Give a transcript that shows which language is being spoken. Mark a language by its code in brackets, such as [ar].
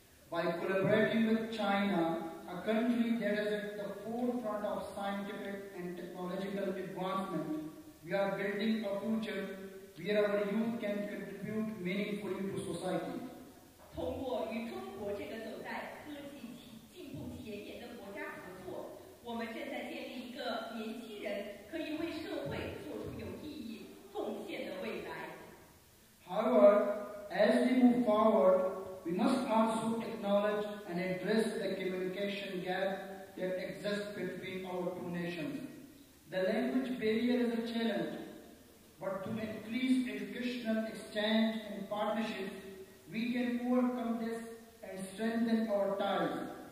[en] By collaborating with China, a country that is at the forefront of scientific and technological advancement, we are building a future where our youth can contribute meaningfully to society. [zh] 通过与中国这个走在科技进步前沿的国家合作，我们正在建立一个年轻人可以为社会做出有意义贡献的未来。 [en] However, as we move forward, we must also acknowledge and address the communication gap that exists between our two nations. The language barrier is a challenge, but through increased educational exchange and partnership, we can overcome this and strengthen our ties.